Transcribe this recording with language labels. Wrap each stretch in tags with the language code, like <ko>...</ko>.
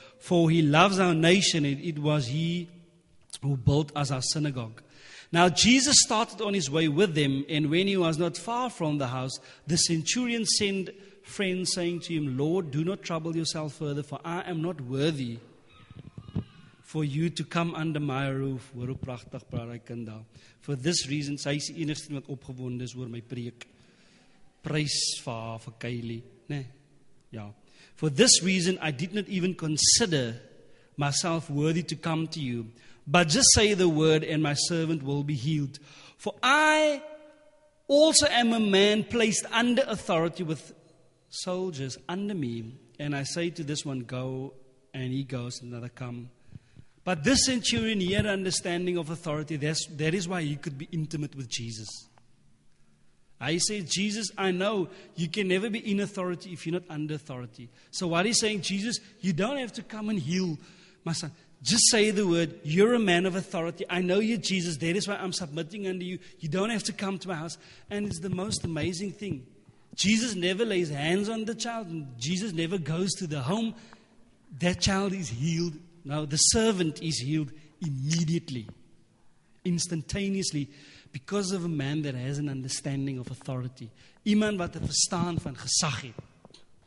<en>For he loves our nation, and it was he who built us our synagogue. Now Jesus started on his way with them, and when he was not far from the house, the centurion sent friends, saying to him, Lord, do not trouble yourself further, for I am not worthy for you to come under my roof.</en> <af>Hoor hoe prachtig praat hy kind daar.</af> <en>For this reason,</en> <af>sy is die enigste wat opgewonde is oor my preek. Prys vir haar, vir Kylie. Nee, ja.</af> <en>For this reason, I did not even consider myself worthy to come to you. But just say the word and my servant will be healed. For I also am a man placed under authority with soldiers under me. And I say to this one, go, and he goes, another come. But this centurion, he had understanding of authority. That is why he could be intimate with Jesus. I say, Jesus, I know you can never be in authority if you're not under authority. So what he's saying, Jesus, you don't have to come and heal my son. Just say the word, you're a man of authority. I know you're Jesus. That is why I'm submitting under you. You don't have to come to my house. And it's the most amazing thing. Jesus never lays hands on the child. And Jesus never goes to the home. That child is healed. Now the servant is healed immediately, instantaneously, because of a man that has an understanding of authority.</en> <af>Iemand wat 'n verstaan van gesag het.</af>